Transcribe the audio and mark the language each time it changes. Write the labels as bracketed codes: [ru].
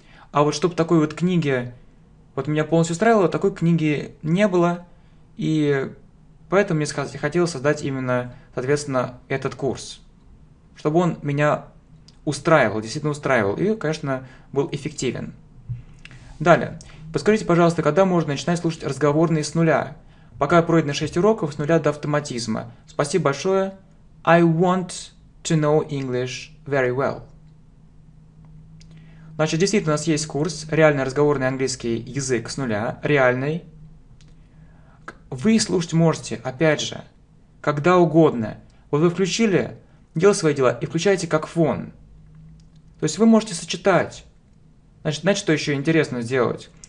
[ru] А вот чтобы такой вот книги, вот меня полностью устраивало, такой книги не было, и поэтому мне сказать, хотелось создать именно, соответственно, этот курс, чтобы он меня устраивал, действительно устраивал, и, конечно, был эффективен. Далее. Подскажите, пожалуйста, когда можно начинать слушать разговорные с нуля? Пока пройдено 6 уроков с нуля до автоматизма. Спасибо большое. [en] I want to know English very well. [ru] Значит, действительно, у нас есть курс «Реальный разговорный английский язык с нуля». Реальный. Вы слушать можете, опять же, когда угодно. Вот вы включили, делал свои дела, и включаете как фон. То есть вы можете сочетать. Значит, знаете, что еще интересно сделать?